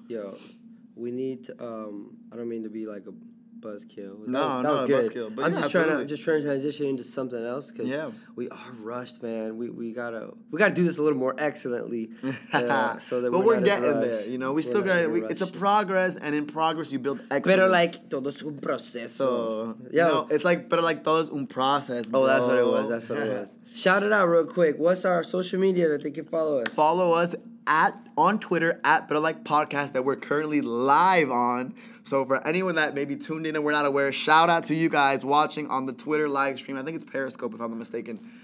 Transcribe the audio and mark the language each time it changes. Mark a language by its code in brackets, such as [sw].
[en] Yo, we need to, I don't mean to be, like, a buzzkill. No, that was good. I'm just trying to transition into something else because we are rushed, man. We gotta do this a little more excellently. So we're getting there. You know, it's a progress, and in progress you build excellence. [es] Pero like todo es un proceso. Pero todo es un proceso. [en] Oh, that's what it was. Shout it out real quick. What's our social media that they can follow us? Follow us on Twitter at Better Like Podcast that we're currently live on. So for anyone that maybe tuned in and we're not aware, shout out to you guys watching on the Twitter live stream. I think it's Periscope, if I'm not mistaken.